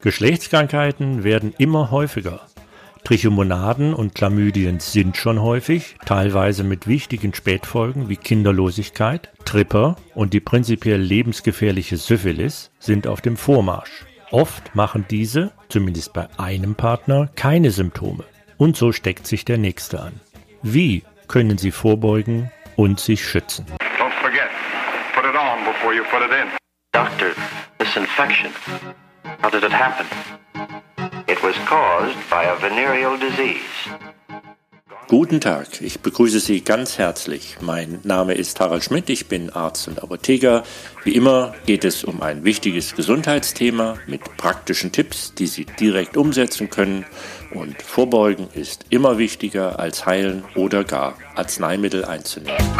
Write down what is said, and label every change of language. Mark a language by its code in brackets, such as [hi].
[de] Geschlechtskrankheiten werden immer häufiger. Trichomonaden und Chlamydien sind schon häufig, teilweise mit wichtigen Spätfolgen wie Kinderlosigkeit, Tripper und die prinzipiell lebensgefährliche Syphilis sind auf dem Vormarsch. Oft machen diese, zumindest bei einem Partner, keine Symptome. Und so steckt sich der Nächste an. Wie können Sie vorbeugen und sich schützen? [en] Don't forget, put it on before you put it in. Doctor, this infection, how did it happen? It was caused by a venereal disease. [de] Guten Tag, ich begrüße Sie ganz herzlich. Mein Name ist Harald Schmidt, ich bin Arzt und Apotheker. Wie immer geht es um ein wichtiges Gesundheitsthema mit praktischen Tipps, die Sie direkt umsetzen können. Und vorbeugen ist immer wichtiger als heilen oder gar Arzneimittel einzunehmen.